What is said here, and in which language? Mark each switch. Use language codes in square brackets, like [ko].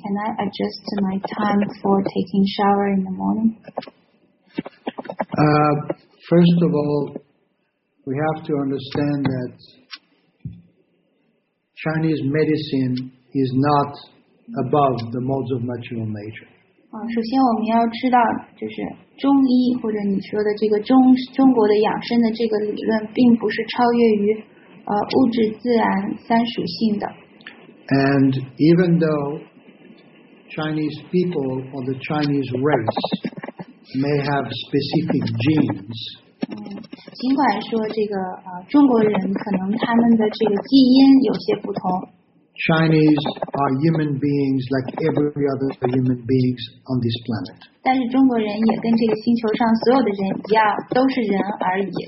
[en] Can I adjust to my time for taking shower in the morning? First of all, we have to understand that Chinese medicine is not above the modes of natural nature. [zh] 首先我们要知道，就是中医或者你说的这个中国的养生的这个理论，并不是超越于。物质自然三属性的。 [en] And even though Chinese people or the Chinese race may have specific genes, [zh] 尽管说这个中国人可能他们的这个基因有些不同。 [en] Chinese are human beings like every other human beings on this planet. [zh] 但是中国人也跟这个星球上所有的人一样，都是人而已。